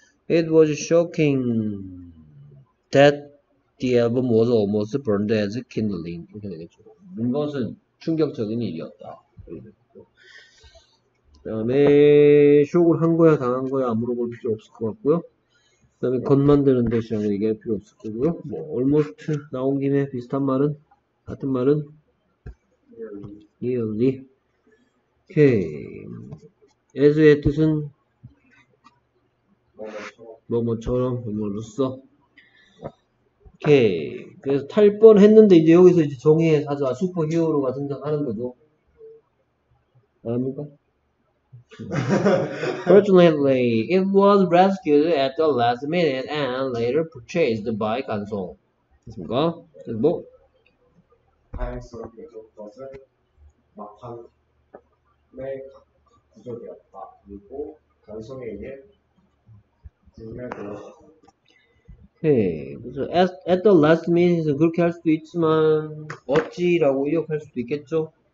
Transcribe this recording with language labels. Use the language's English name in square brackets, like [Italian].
[English] It was shocking that the album was almost burned as kindling [Korean] 이렇게 되겠죠. 이것은 충격적인 일이었다. 그 다음에 쇼크를 한 거야 당한 거야 물어볼 필요 없을 것 같고요. 그 다음에 겉 만드는 대신 얘기할 필요 없을 거고요. 뭐 almost 나온 김에 비슷한 말은 같은 말은 nearly. 오케이. as의 뜻은 뭐뭐처럼 뭐뭐로써. 오케이. 그래서 탈뻔 했는데 이제 여기서 이제 정의에 사자 슈퍼히어로가 등장하는 거죠. 아닙니까? [English] Fortunately, it was rescued at the last minute and later purchased by Gansong. [Korean] 됐습니까? 그래서 뭐? 다행스럽게 그것은 막판의 구조되었다. 그리고 Gansong에 의해 구매되었다. 네, [English] at the last minute [Korean] 그렇게 할 수도 있지만 어찌라고 의역할 수도 있겠죠?